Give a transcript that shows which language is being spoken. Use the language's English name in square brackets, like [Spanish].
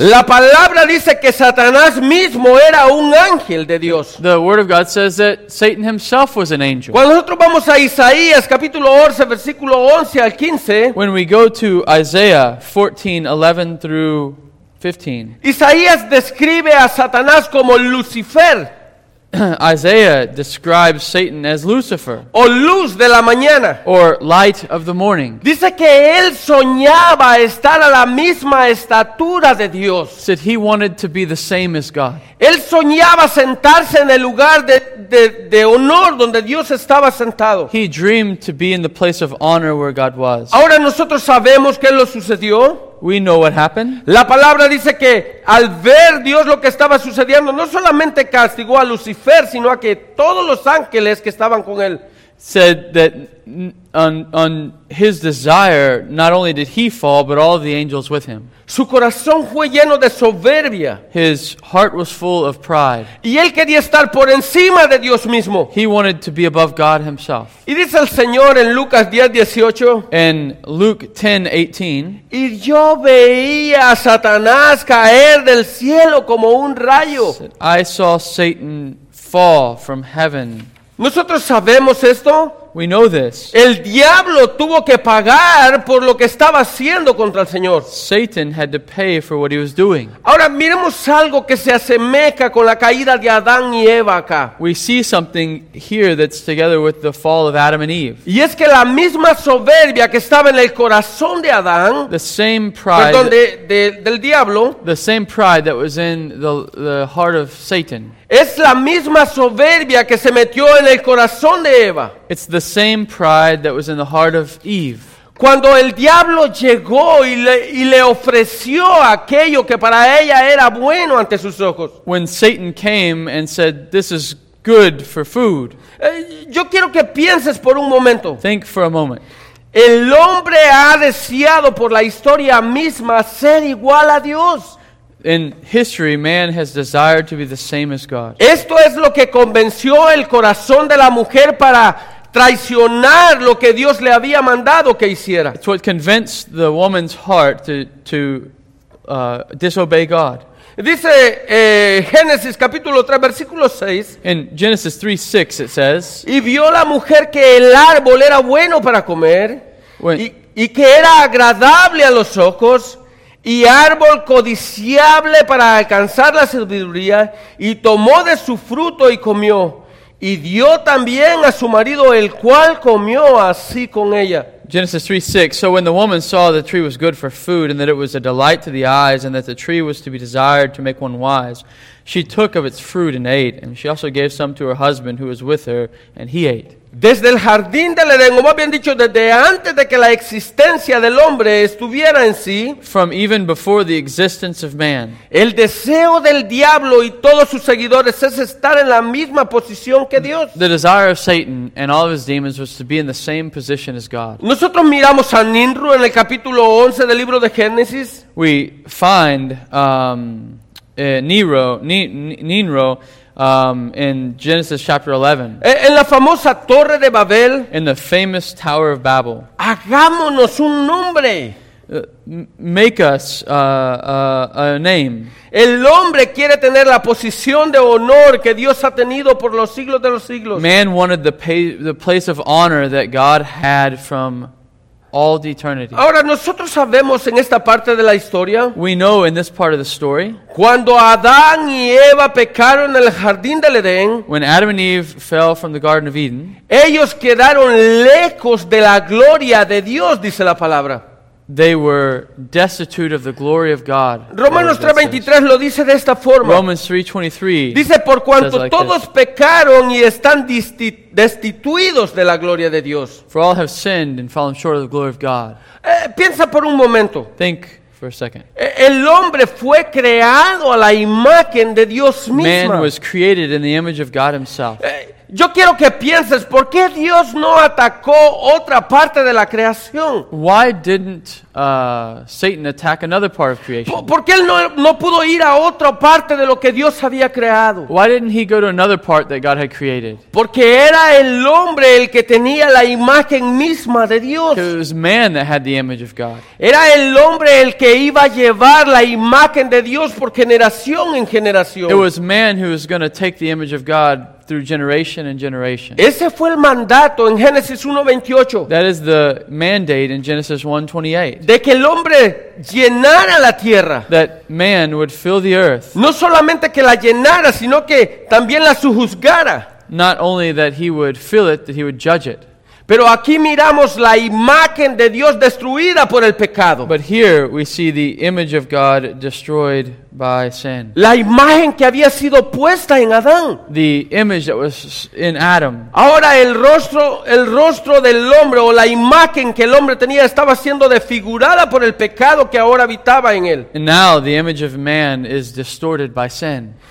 [Spanish] la palabra dice que Satanás mismo era un ángel de Dios. [English] The word of God says that Satan himself was an angel. [Spanish] Cuando nosotros vamos a Isaías capítulo 11 versículo 11 al 15, [English] when we go to Isaiah 14:11 through 15. [Spanish] Isaías describe a Satanás como Lucifer. [English] Isaiah describes Satan as Lucifer. [Spanish] O luz de la mañana. [English] Or light of the morning. [Spanish] Dice que él soñaba estar a la misma estatura de Dios. [English] Said he wanted to be the same as God. [Spanish] Él soñaba sentarse en el lugar de honor donde Dios estaba sentado. [English] He dreamed to be in the place of honor where God was. [Spanish] Ahora nosotros sabemos qué lo sucedió. [English] We know what happened. [Spanish] La palabra dice que al ver Dios lo que estaba sucediendo, no solamente castigó a Lucifer, sino a que todos los ángeles que estaban con él. [English] Said that on his desire, not only did he fall, but all of the angels with him. [Spanish] Su corazón fue lleno de soberbia. [English] His heart was full of pride. [Spanish] Y él quería estar por encima de Dios mismo. [English] He wanted to be above God himself. [Spanish] Y dice el Señor en Lucas 10:18. [English] In Luke 10:18. [Spanish] Y yo veía a Satanás caer del cielo como un rayo. [English] I saw Satan fall from heaven. [Spanish] Nosotros sabemos esto. [English] We know this. [Spanish] El diablo tuvo que pagar por lo que estaba haciendo contra el Señor. [English] Satan had to pay for what he was doing. [Spanish] Ahora miremos algo que se asemeja con la caída de Adán y Eva acá. [English] We see something here that's together with the fall of Adam and Eve. [Spanish] Y es que la misma soberbia que estaba en el corazón de Adán, [English] the same pride, [Spanish] perdón, del diablo, [English] the same pride that was in the heart of Satan. [Spanish] Es la misma soberbia que se metió en el corazón de Eva. [English] It's the same pride that was in the heart of Eve. [Spanish] Cuando el diablo llegó y le ofreció aquello que para ella era bueno ante sus ojos. [English] When Satan came and said, "This is good for food." [Spanish] Yo quiero que pienses por un momento. [English] Think for a moment. [Spanish] El hombre ha deseado por la historia misma ser igual a Dios. [English] In history, man has desired to be the same as God. [Spanish] Esto es lo que convenció el corazón de la mujer para traicionar lo que Dios le había mandado que hiciera. [English] It's what convinced the woman's heart to disobey God. [Spanish] Dice Génesis capítulo 3 versículo 6. [English] In Genesis 3:6 it says. [Spanish] Y vio la mujer que el árbol era bueno para comer y que era agradable a los ojos. y árbol codiciable para alcanzar la sabiduría, y tomó de su fruto y comió, y dio también a su marido, el cual comió así con ella. [English] Genesis 3:6. So when the woman saw the tree was good for food, and that it was a delight to the eyes, and that the tree was to be desired to make one wise, she took of its fruit and ate, and she also gave some to her husband who was with her, and he ate. [Spanish] Desde el jardín del Edén, como habían dicho, desde antes de que la existencia del hombre estuviera en sí, [English] from even before the existence of man, [Spanish] el deseo del diablo y todos sus seguidores es estar en la misma posición que Dios. [English] The desire of Satan and all of his demons was to be in the same position as God. [Spanish] Nosotros miramos a Nimrod en el capítulo 11 del libro de Génesis. [English] We find Nimrod in Genesis chapter 11. [Spanish] En la famosa Torre de Babel. [English] In the famous Tower of Babel. [Spanish] Hagámonos un nombre. [English] Make us a name. [Spanish] El hombre quiere tener la posición de honor que Dios ha tenido por los siglos de los siglos. [English] Man wanted the place of honor that God had from all the eternity. [Spanish] Ahora nosotros sabemos en esta parte de la historia. [English] We know in this part of the story. [Spanish] Cuando Adán y Eva pecaron en el jardín del Edén. [English] When Adam and Eve fell from the Garden of Eden. [Spanish] Ellos quedaron lejos de la gloria de Dios, dice la palabra. [English] They were destitute of the glory of God. [Spanish] Romanos 3:23 lo dice de esta forma. [English] Romans 3:23. [Spanish] Dice, por cuanto [English] like [Spanish] todos [English] this. [Spanish] Pecaron y están destituidos de la gloria de Dios. [English] For all have sinned and fallen short of the glory of God. [Spanish] Piensa por un momento. [English] Think for a second. [Spanish] El hombre fue creado a la imagen de Dios mismo. [English] Man was created in the image of God himself. [Spanish] Yo quiero que pienses, ¿por qué Dios no atacó otra parte de la creación? [English] Why didn't Satan attack another part of creation? [Spanish] ¿Por qué él no pudo ir a otra parte de lo que Dios había creado? [English] Why didn't he go to another part that God had created? [Spanish] Porque era el hombre el que tenía la imagen misma de Dios. [English] Because it was man that had the image of God. [Spanish] Era el hombre el que iba a llevar la imagen de Dios por generación en generación. [English] It was man who was going to take the image of God through generation and generation. [Spanish] Ese fue el mandato en Génesis 1:28. [English] That is the mandate in Genesis 1:28. [Spanish] De que el hombre llenara la tierra. [English] That man would fill the earth. [Spanish] No solamente que la llenara, sino que también la sojuzgara. [English] Not only that he would fill it, that he would judge it. [Spanish] Pero aquí miramos la imagen de Dios destruida por el pecado. [English] But here we see the image of God destroyed by sin. [Spanish] La imagen que había sido puesta en Adán. [English] The image that was in Adam. [Spanish] Ahora el rostro del hombre o la imagen que el hombre tenía estaba siendo desfigurada por el pecado que ahora habitaba en él. [English] And now the image of man is distorted by sin.